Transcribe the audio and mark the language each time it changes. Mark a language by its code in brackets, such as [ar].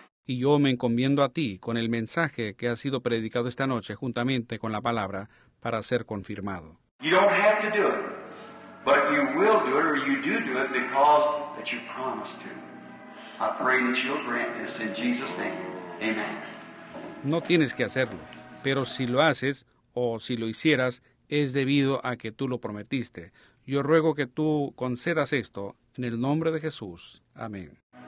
[es] Y yo me encomiendo a ti con el mensaje que ha sido predicado esta noche juntamente con la palabra para ser confirmado. [en] You don't have to do it, but you will do it, or you do do it because that you promised to. I pray that you'll grant this in Jesus' name. Amen. [es] No tienes que hacerlo, pero si lo haces o si lo hicieras, es debido a que tú lo prometiste. Yo ruego que tú concedas esto en el nombre de Jesús. Amén.